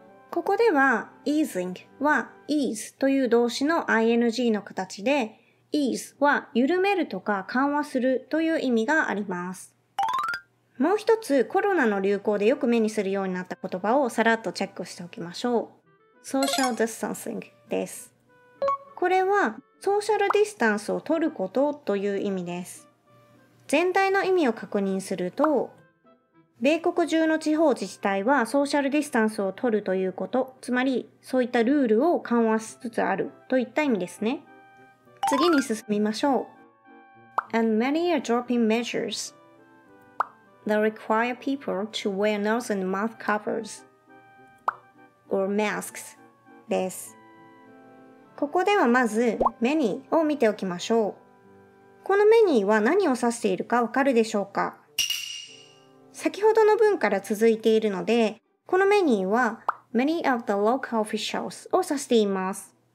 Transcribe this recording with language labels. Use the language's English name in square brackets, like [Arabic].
[Japanese] ここでは、easing は ease という動詞の ing の形で、ease は緩めるとか緩和するという意味があります。もう一つ、コロナの流行でよく目にするようになった言葉をさらっとチェックしておきましょう。 social distancing です。これは、ソーシャルディスタンスを取ることという意味です。全体の意味を確認すると、米国中の地方自治体はソーシャルディスタンスを取るということ、つまりそういったルールを緩和しつつあるといった意味ですね。次に進みましょう。 [English] And many are dropping measures that require people to wear nose and mouth covers or masks です。 [Japanese] ここではまず、many を見ておきましょう。この many は何を指しているかわかるでしょうか？先ほどの文から続いているので、この many は [English] many of the local officials [Japanese] を指しています。